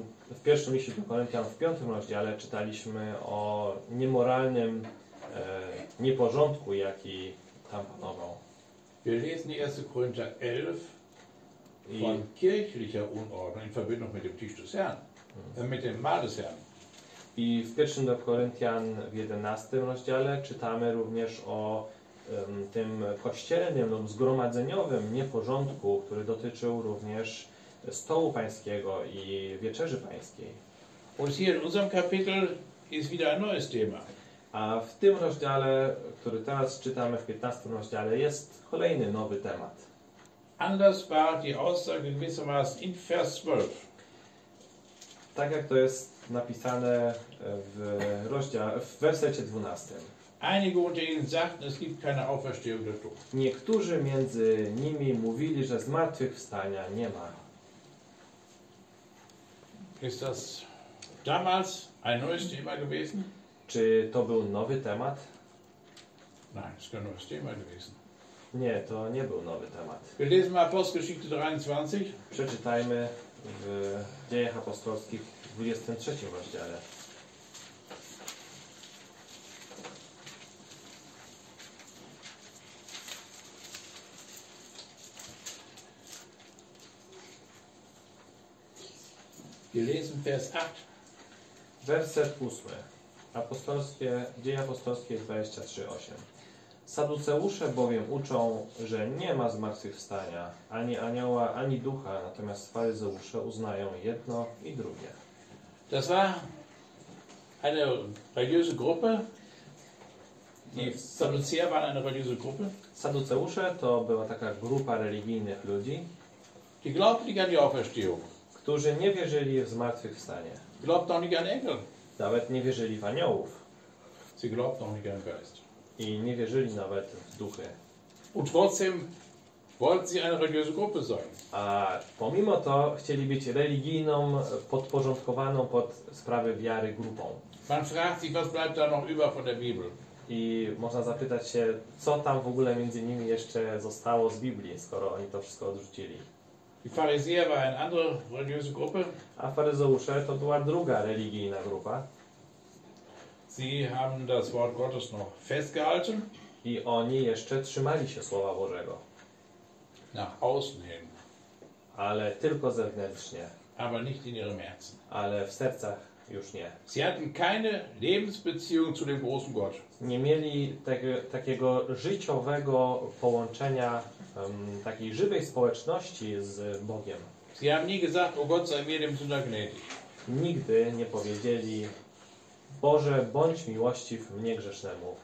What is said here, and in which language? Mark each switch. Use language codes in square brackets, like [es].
[pl] W pierwszym liście do Koryntian w 5. rozdziale czytaliśmy o niemoralnym nieporządku, jaki tam panował. [de] Wir lesen 1. Korinther 11 von kirchlicher Unordnung in Verbindung mit dem Tisch des Herrn, mit dem Mahl des Herrn. [pl] I w 1. do Koryntian w 11. rozdziale czytamy również o tym kościelnym lub zgromadzeniowym nieporządku, który dotyczył również stołu pańskiego i wieczerzy pańskiej. [de] Und hier in unserem Kapitel ist wieder ein neues Thema. [pl] A w tym rozdziale, który teraz czytamy, w 15 rozdziale, jest kolejny nowy temat. [de] Anders war die Aussage gewissermaßen in Vers 12. [pl] Tak jak to jest napisane w rozdziale, w wersecie 12. [de] Einige unter ihnen sagten, es gibt keine Auferstehung der Toten. [pl] Niektórzy między nimi mówili, że zmartwychwstania nie ma. [de] Ist das damals ein neues Thema gewesen? [pl] Czy to był nowy temat? [de] Nein, es ist kein neues Thema gewesen. [pl] Nie, to nie był nowy temat. [de] Wir lesen mal Apostelgeschichte 23. [pl] Przeczytajmy w Dziejach Apostolskich w 23 rozdziale. [de] Wir lesen Vers 8. [pl] Werset 8. Apostolskie, Dzieje Apostolskie 23:8. Saduceusze bowiem uczą, że nie ma zmartwychwstania ani anioła, ani ducha, natomiast faryzeusze uznają jedno i drugie. [de] Das war eine religiöse Gruppe. Die Sadduceer waren eine religiöse Gruppe. [pl] Saduceusze to była taka grupa religijnych ludzi. [de] Die glaubten nicht an die Auferstehung. [pl] Którzy nie wierzyli w zmartwychwstanie. [de] Glaubten auch nicht an Engel. [pl] Nawet nie wierzyli w aniołów. [de] Sie glaubten auch nicht an Geist. [pl] I nie wierzyli nawet w duchy. [de] Und trotzdem wollten sie eine religiöse Gruppe sein. [pl] A pomimo to chcieli być religijną, podporządkowaną pod sprawy wiary grupą. [de] Man fragt sich, was bleibt da noch über von der Bibel. [pl] I można zapytać się, co tam w ogóle między nimi jeszcze zostało z Biblii, skoro oni to wszystko odrzucili. [de] Die Pharisäer war eine andere religiöse Gruppe. [pl] A faryzeusze to była druga religijna grupa. [de] Sie haben das Wort Gottes noch festgehalten. [pl] I oni jeszcze trzymali się Słowa Bożego. [de] Nach außen hin. [pl] Ale tylko zewnętrznie. [de] Aber nicht in ihrem Herzen. [pl] Ale w sercach już nie. [de] Sie hatten keine Lebensbeziehung zu dem großen Gott. [pl] Nie mieli takiego życiowego połączenia, takiej żywej społeczności z Bogiem. [de] Sie haben nie gesagt, o Gott sei mir dem Sünder gnädig. [pl] Nigdy nie powiedzieli, Boże, bądź miłościw mnie grzesznemu.